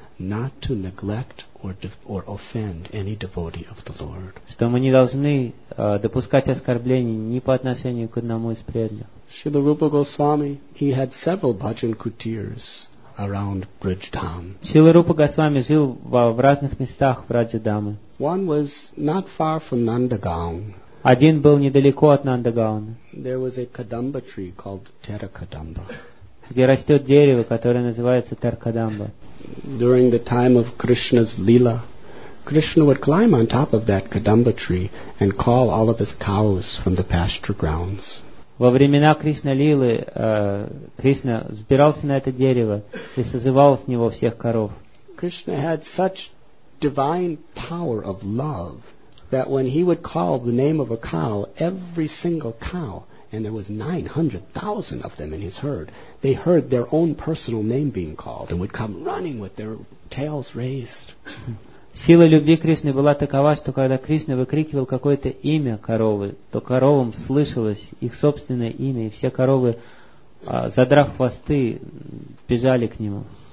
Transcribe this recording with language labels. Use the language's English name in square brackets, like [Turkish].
[English] Not to neglect or offend any devotee of the Lord. [Russian] Что мы не должны допускать оскорблений ни по отношению к одному из преданных. [English] Srila Rupa Goswami, he had several bhajan kutirs around Brijdham. [Russian] Srila Rupa Goswami жил в разных местах в Раджадаме. [English] One was not far from Nandagaon. [Russian] Один был недалеко от Нандагауна. [English] There was a kadamba tree called Terakadamba. [Russian] Где растет дерево, которое называется Теракадамба. [English] During the time of Krishna's Leela, Krishna would climb on top of that Kadamba tree and call all of his cows from the pasture grounds. [Russian] Во времена Кришна Лилы, Кришна взбирался на это дерево и созывал с него всех коров. [English] Krishna had such divine power of love that when he would call the name of a cow, every single cow, and there was 900,000 of them in his herd, they heard their own personal name being called and would come running with their tails raised. [Russian] Сила любви Кришны была такова, что когда Кришна выкрикивал какое-то имя коровы, то коровам слышалось их собственное имя, и все коровы, задрав хвосты, бежали к нему.